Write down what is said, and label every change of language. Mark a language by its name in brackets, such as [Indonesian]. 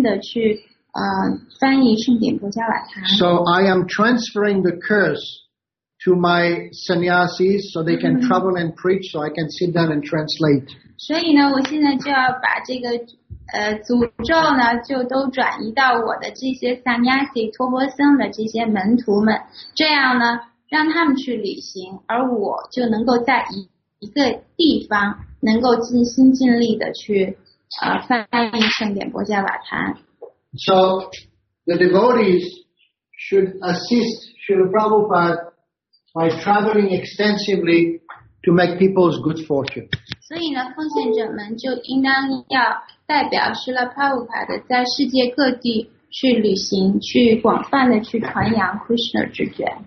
[Chinese] 所以呢，我也希望，我祈祷能够有这样的一个地方，能够让我安顿下来，能够让我静心的去翻译圣典博迦瓦坛。 [English] So I am transferring the curse to my sannyasis so they can travel and preach so I can sit down and translate. [Chinese] 所以呢，我现在就要把这个 诅咒呢，就都转移到我的这些sannyasi、托钵僧的这些门徒们，这样呢，让他们去旅行，而我就能够在一个地方能够尽心尽力的去翻译圣典博迦瓦坛。 [English] So the devotees should assist Srila Prabhupada by traveling extensively to make people's good fortune. [Chinese] 所以呢，奉献者们就应当要代表Srila Prabhupada在世界各地去旅行，去广泛的去传扬 Krishna 之觉。